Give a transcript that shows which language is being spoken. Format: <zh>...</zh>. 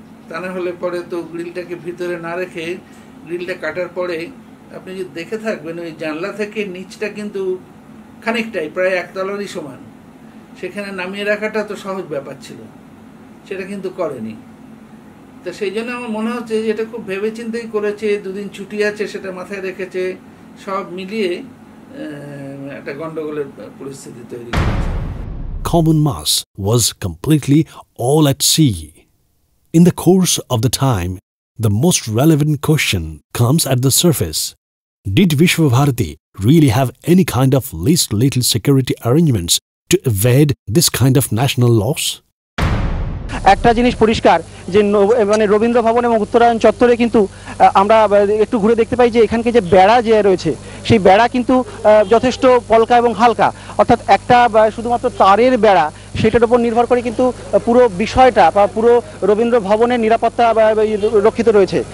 <bn>তা না হলে পরে তো গ্রিলটাকে ভিতরে না রেখে গ্রিলটা কাটার পরে আপনি যদি দেখে থাকবেন ওই জানলা থেকে নিচটা কিন্তু খানিকটাই প্রায় একতলারই সমান, সেখানে নামিয়ে রাখাটা তো সহজ ব্যাপার ছিল, সেটা কিন্তু করেনি। তো সেই জন্য আমার মনে হচ্ছে যে এটা খুব ভেবেচিন্তেই করেছে, দুদিন ছুটি আছে সেটা মাথায় রেখেছে, সব মিলিয়ে একটা গন্ডগোলের পরিস্থিতি তৈরি করেছে।</bn> <en>Common mass was completely all at sea. In the course of the time, the most relevant question comes at the surface. Did Visva Bharati really have any kind of least little security arrangements to evade this kind of national loss?</en> <bn>একটা জিনিস পরিষ্কার যে মানে রবীন্দ্র ভবন এবং উত্তরায়ণ চত্বরে কিন্তু আমরা একটু ঘুরে দেখতে পাই যে এখানকার যে বেড়া যে রয়েছে সেই বেড়া কিন্তু যথেষ্ট পলকা এবং হালকা, অর্থাৎ একটা শুধুমাত্র তারের বেড়া সেটার উপর নির্ভর করে কিন্তু পুরো বিষয়টা বা পুরো রবীন্দ্র ভবনের নিরাপত্তা রক্ষিত রয়েছে।</bn>